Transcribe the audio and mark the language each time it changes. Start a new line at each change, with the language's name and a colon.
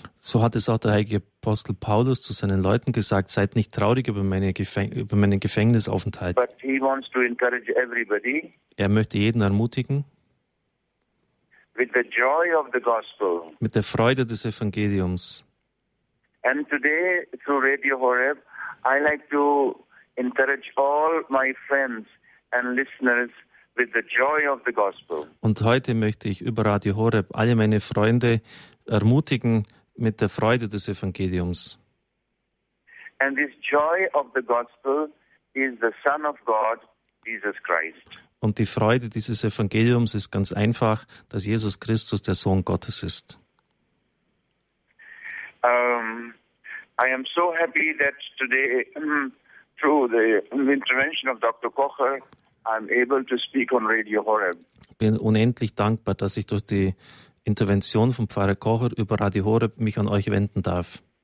German: So hat es auch der heilige Apostel Paulus zu seinen Leuten gesagt, seid nicht traurig über meinen Gefängnisaufenthalt.
English: But he wants to encourage everybody.
German: Er möchte jeden ermutigen.
English: With the joy of the gospel.
German: Mit der Freude des Evangeliums.
English: And today, through Radio Horeb, I like to encourage all my friends and listeners with the joy of the gospel.
German: Und heute möchte ich über Radio Horeb alle meine Freunde ermutigen mit der Freude des Evangeliums.
English: And this joy of the gospel is the Son of God, Jesus Christ.
German: Und die Freude dieses Evangeliums ist ganz einfach, dass Jesus Christus der Sohn Gottes ist.
English: I am so happy that today, through the intervention of Dr. Kocher, I'm able to speak on Radio Horeb.
German: Bin unendlich dankbar, dass ich durch die Intervention von Pfarrer Kocher über Radio Horeb mich an euch wenden darf.